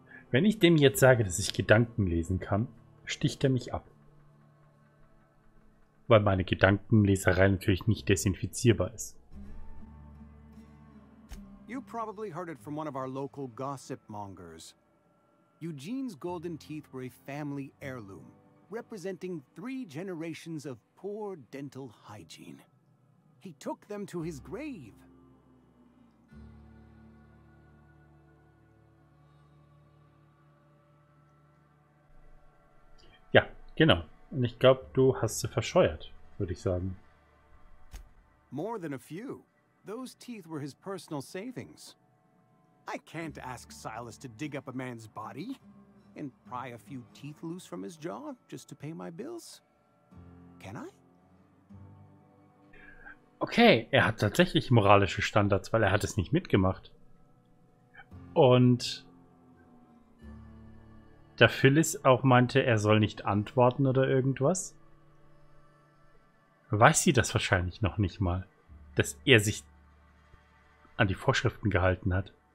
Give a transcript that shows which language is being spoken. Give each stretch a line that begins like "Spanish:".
German: Wenn ich dem jetzt sage, dass ich Gedanken lesen kann, sticht er mich ab. Weil meine Gedankenleserei natürlich nicht desinfizierbar ist.
English: You probably heard it from one of our local gossip mongers. Eugene's golden teeth were a family heirloom, representing three generations of poor dental hygiene. He took them to his grave.
German: Ja, genau. Und ich glaube, du hast sie verscheuert, würde ich sagen.
English: More than a few. Those teeth were his personal savings. I can't ask Silas to dig up a man's body and pry a few teeth loose from his jaw just to pay my bills. Can I?
German: Okay, er hat tatsächlich moralische Standards, weil er hat es nicht mitgemacht. Und da Phyllis auch meinte, er soll nicht antworten oder irgendwas, weiß sie das wahrscheinlich noch nicht mal, dass er sich an die Vorschriften gehalten hat.